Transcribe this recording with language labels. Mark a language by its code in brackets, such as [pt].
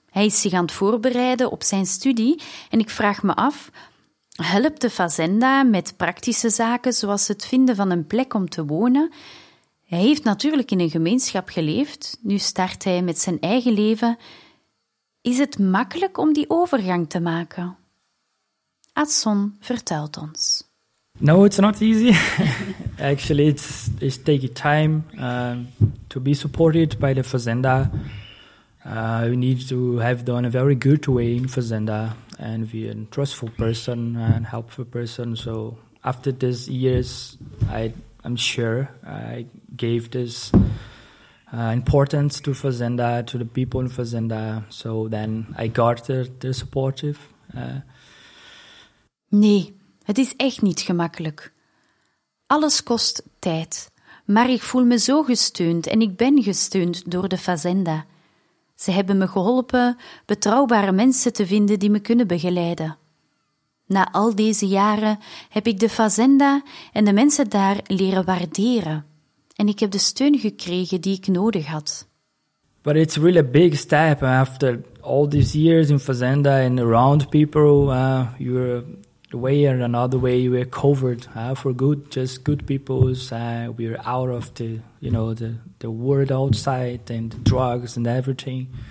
[nl] Hij is zich aan het voorbereiden op zijn studie. En ik vraag me af, helpt de Fazenda met praktische zaken zoals het vinden van een plek om te wonen? Hij heeft natuurlijk in een gemeenschap geleefd. Nu start hij met zijn eigen leven. Is het makkelijk om die overgang te maken? Adson vertelt ons. [en] No, it's not easy. Actually, it's taking time to be supported by the Fazenda. We need to have done a very good way in Fazenda and be a trustful person and helpful person. So after these years, I'm sure I gave this importance to Fazenda, to the people in Fazenda. So then I got the supportive. [nl] Nee. Het is echt niet gemakkelijk. Alles kost tijd, maar ik voel me zo gesteund en ik ben gesteund door de Fazenda. Ze hebben me geholpen betrouwbare mensen te vinden die me kunnen begeleiden. Na al deze jaren heb ik de Fazenda en de mensen daar leren waarderen en ik heb de steun gekregen die ik nodig had. [en] But it's really a big step after all these years in Fazenda and around people you're the way or another way, we're covered for good, just good people. We're out of the, you know, the world outside and the drugs and everything.